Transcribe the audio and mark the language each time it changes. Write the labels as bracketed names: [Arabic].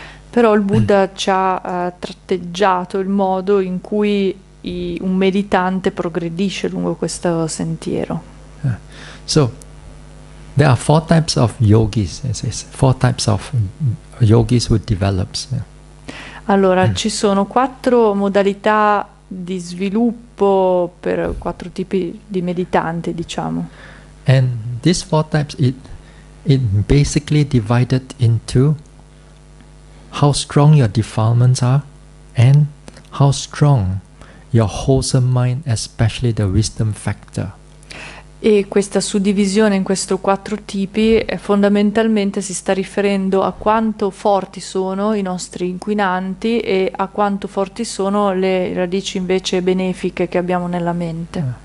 [Italian] Però il Buddha ci ha tratteggiato il modo in cui un meditante progredisce lungo questo sentiero. [English] So there are four types of yogis, four types of yogis who develops. [Italian] Allora ci sono quattro modalità di sviluppo per quattro tipi di meditante, diciamo. [English] And these four types it basically divided into how strong your defilements are and how strong your wholesome mind, especially the wisdom factor. [Italian] E questa suddivisione in questi quattro tipi fondamentalmente si sta riferendo a quanto forti sono i nostri inquinanti e a quanto forti sono le radici invece benefiche che abbiamo nella mente.